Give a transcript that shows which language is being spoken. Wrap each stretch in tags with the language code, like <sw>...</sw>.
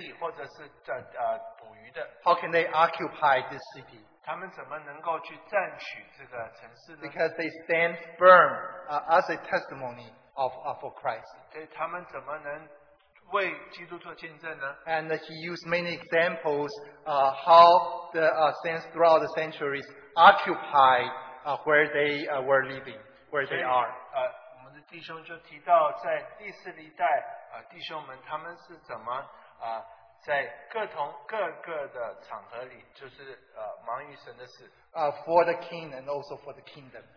<zh>所以，但是他的门徒们只是这个税吏或者是捕鱼的。</zh> <en>How can they occupy this city?</en> <zh>他们怎么能够去占取这个城市呢？</zh> <en>Because they stand firm as a testimony for Christ.</en> <zh>对，他们怎么能为基督做见证呢？</zh> <en>And he used many examples how the saints throughout the centuries occupied where they were living, where they are.</en> <zh>我们的弟兄就提到在第四历代 弟兄们他们是怎么 在各同各个的场合里就是 忙于神的事。</zh> <en>For the king and also for the kingdom.</en>